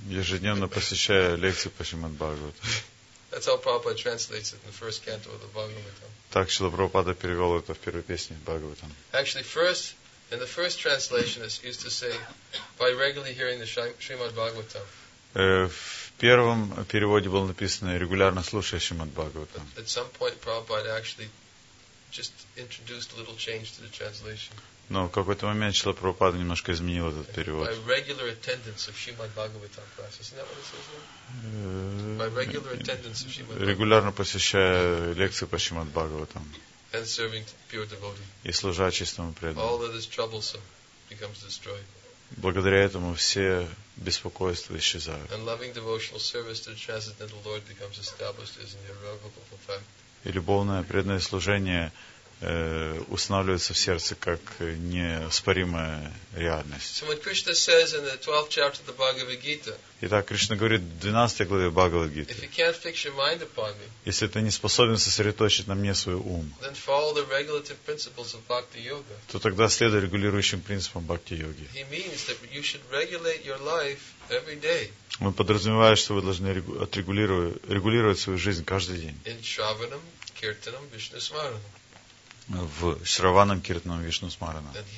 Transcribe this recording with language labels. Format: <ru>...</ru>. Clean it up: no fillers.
<ru>Ежедневно посещая лекции по Шримад Бхагаватам.</ru> <en>That's how Prabhupada translates it in the first canto of the Bhagavatam.</en> <ru>Так Шрила Прабхупада перевел это в первой песне Бхагаватам.</ru> <en>Actually, in the first translation, it used to say, by regularly hearing the Srimad Bhagavatam.</en> <ru>В первом переводе было написано регулярно слушая Шримад Бхагаватам.</ru> <en>At some point, Prabhupada actually just introduced a little change to the translation.</en> <ru>Но в какой-то момент Шрила Прабхупада немножко изменил этот перевод.</ru> <en>By regular attendance of Shrimad Bhagavatam class. Isn't that what it says there? By regular attendance of Shrimad Bhagavatam.</en> <ru>Регулярно посещая лекции по Шримад Бхагаватам.</ru> <en>And serving pure devotee.</en> <ru>И служа чистому преданному.</ru> <en>All that is troublesome becomes destroyed.</en> <ru>Благодаря этому все беспокойства исчезают.</ru> <en>And loving devotional service to the transcendental Lord becomes established as an irrevocable fact.</en> <ru>И любовное преданное служение устанавливается в сердце как неоспоримая реальность.</ru> <en>So when Krishna says in the 12th chapter of the Bhagavad Gita,</en> <ru>итак, Кришна говорит в 12 главе Бхагавад Гиты,</ru> <en>if you can't fix your mind upon me,</en> <ru>если ты не способен сосредоточить на мне свой ум,</ru> <en>then follow the regulative principles of Bhakti Yoga.</en> <ru>То тогда следуй регулирующим принципам Бхакти Йоги.</ru> <en>He means that you should regulate your life every day.</en> <ru>Он подразумевает, что вы должны регулировать свою жизнь каждый день.</ru> <en>In Shravanam, Kirtanam, Vishnu Smaranam.</en> <ru>В Шраванам, Киртанам, Вишну Смаранам.</ru>